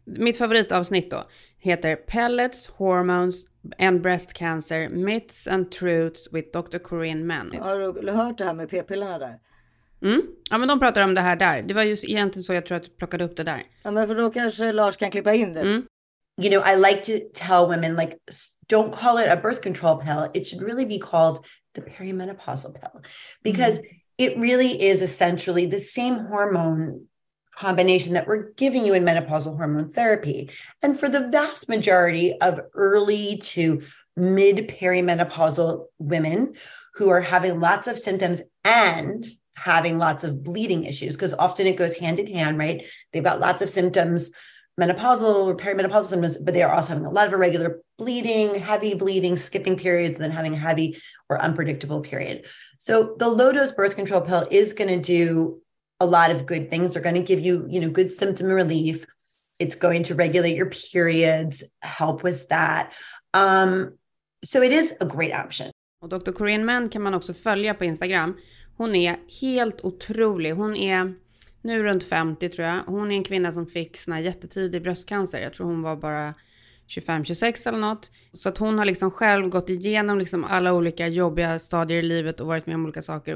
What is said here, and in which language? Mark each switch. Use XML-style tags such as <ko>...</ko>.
<sv>Mitt favoritavsnitt då heter Pellets, Hormones and Breast Cancer, Myths and Truths with Dr. Corinne Mann. Har du hört det här med p-pillarna där? Mm. Ja, men de pratar om det här där. Det var just egentligen så jag tror att du plockade upp det där. Ja, men för då kanske Lars kan klippa in det. Mm.</sv> <en>You know, I like to tell women, like, don't call it a birth control pill. It should really be called the perimenopausal pill, because it really is essentially the same hormone combination that we're giving you in menopausal hormone therapy. And for the vast majority of early to mid perimenopausal women who are having lots of symptoms and having lots of bleeding issues, because often it goes hand in hand, right? They've got lots of symptoms, menopausal or perimenopausal symptoms, but they are also having a lot of irregular bleeding, heavy bleeding, skipping periods, and then having a heavy or unpredictable period. So the low dose birth control pill is going to do a lot of good things. They're going to give you, you know, good symptom relief. It's going to regulate your periods, help with that. So it is a great option.</en> <sv>Och Dr. Corinne Mann kan man också följa på Instagram. Hon är helt otrolig. Hon är nu runt 50 tror jag. Hon är en kvinna som fick sån här jättetidig bröstcancer. Jag tror hon var bara 25-26 eller något. Så att hon har liksom själv gått igenom liksom alla olika jobbiga stadier i livet och varit med om olika saker.</sv>